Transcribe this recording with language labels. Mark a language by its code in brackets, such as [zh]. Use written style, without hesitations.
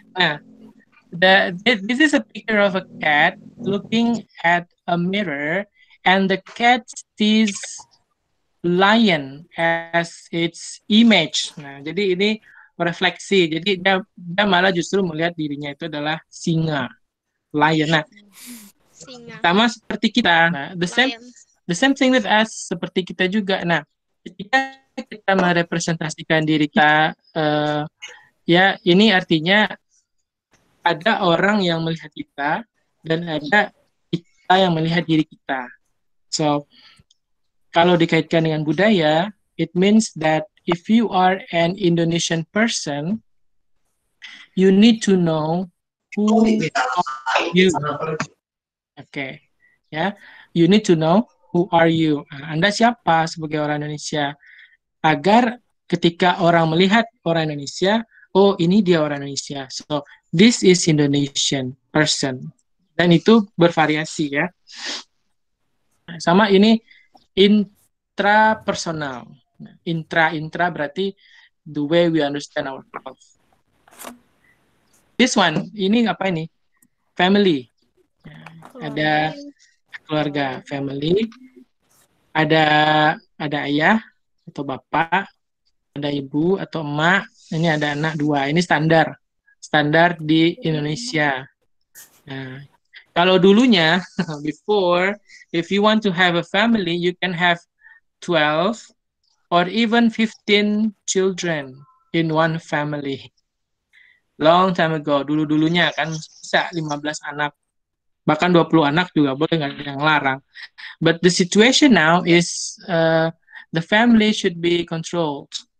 [en] Nah, this is a picture of a cat looking at a mirror, and the cat sees lion as its image. [id] Nah, jadi ini refleksi. Jadi dia malah justru melihat dirinya itu adalah singa, lion. Nah, singa. Sama seperti kita. Nah, [en] the same thing with us, [id] seperti kita juga. Nah, ketika kita merepresentasikan diri kita, ya ini artinya ada orang yang melihat kita dan ada kita yang melihat diri kita. So, kalau dikaitkan dengan budaya, [en] it means that if you are an Indonesian person, you need to know who are you. Okay, ya, yeah. You need to know who are you. [id] Anda siapa sebagai orang Indonesia? Agar ketika orang melihat orang Indonesia, oh ini dia orang Indonesia. [en] So this is Indonesian person. [id] Dan itu bervariasi, ya. Sama ini intrapersonal. Intra berarti [en] the way we understand ourselves. This one, [id] ini apa ini? Family. Ada keluarga, family. Ada ayah atau bapak, ada ibu atau emak. Ini ada anak dua. Ini standar di Indonesia. Nah, kalau dulunya [en] before, if you want to have a family, you can have 12 or even 15 children in one family. Long time ago, [id] dulu-dulunya kan bisa 15 anak. Bahkan 20 anak juga boleh, nggak ada yang larang. [en] But the situation now is the family should be controlled.